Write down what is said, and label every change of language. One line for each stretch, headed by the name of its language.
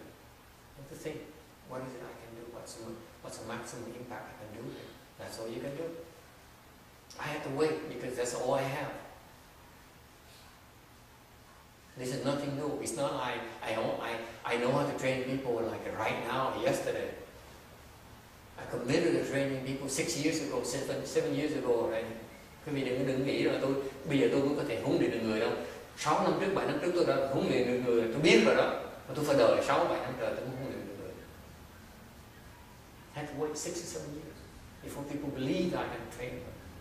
English: You have to think, what is it I can do? What's the maximum impact I can do? That's all you can do. I have to wait because that's all I have. This is nothing new. It's not like I know how to train people like right now or yesterday. I committed to training people 6 years ago, seven years ago already.
Vietnamese: Các vị đừng nghĩ là tôi bây giờ tôi mới có thể huấn luyện được người đâu. 6 năm trước, 7 năm trước tôi đã huấn luyện được người, tôi biết rồi đó. Mà tôi phải đợi 6, 7 năm trời tôi mới huấn luyện được người.
English: I have to wait 6 or 7 years before people believe that I can train them.